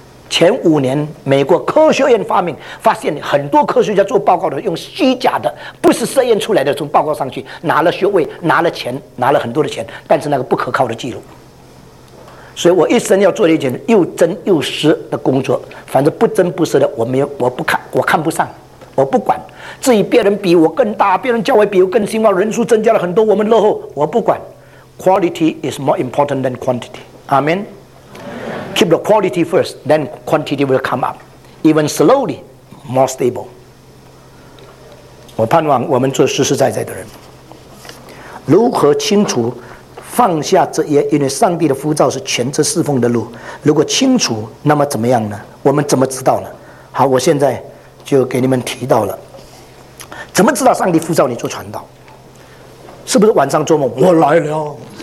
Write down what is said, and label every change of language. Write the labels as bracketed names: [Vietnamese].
[Chinese] 前五年美国科学院发现很多科学家做报告的用虚假的不是实验出来的从报告上去拿了学位拿了钱拿了很多的钱，但是那个不可靠的记录。所以我一生要做一件又真又实的工作，反正不真不实的我没有，我不看，我看不上，我不管。至于别人比我更大，别人教会比我更兴旺，人数增加了很多，我们落后，我不管。 [English] Quality is more important than quantity. Amen. Keep the quality first, then quantity will come up. Even slowly, more stable. [Chinese] 我盼望我们做实实在在的人，如何清楚放下这些，因为上帝的呼召是全职侍奉的路，如果清楚，那么怎么样呢？我们怎么知道呢？好，我现在就给你们提到了，怎么知道上帝呼召你做传道？是不是晚上做梦？我来了。